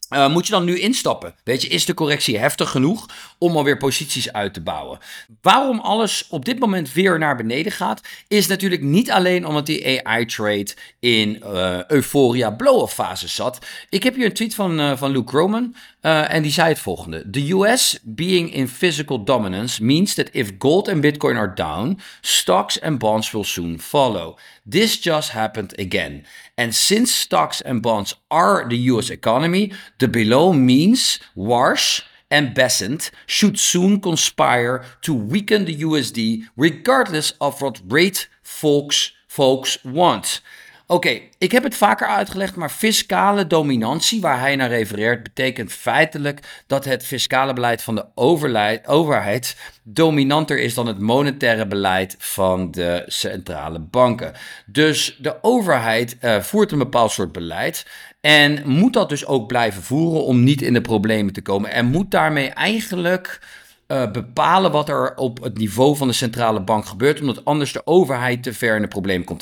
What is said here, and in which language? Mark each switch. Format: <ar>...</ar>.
<nl>Moet je dan nu instappen? Weet je, is de correctie heftig genoeg om alweer posities uit te bouwen? Waarom alles op dit moment weer naar beneden gaat, is natuurlijk niet alleen omdat die AI-trade in euforia blow-off fase zat. Ik heb hier een tweet van Luke Groman en die zei het volgende.</nl> <en>The US being in physical dominance means that if gold and bitcoin are down, stocks and bonds will soon follow. This just happened again. And since stocks and bonds are the US economy, the below means Warsh and Bessent should soon conspire to weaken the USD regardless of what rate folks want.</en> <nl>Oké, ik heb het vaker uitgelegd, maar fiscale dominantie, waar hij naar refereert, betekent feitelijk dat het fiscale beleid van de overheid dominanter is dan het monetaire beleid van de centrale banken. Dus de overheid voert een bepaald soort beleid en moet dat dus ook blijven voeren om niet in de problemen te komen en moet daarmee eigenlijk bepalen wat er op het niveau van de centrale bank gebeurt, omdat anders de overheid te ver in de problemen komt.</nl>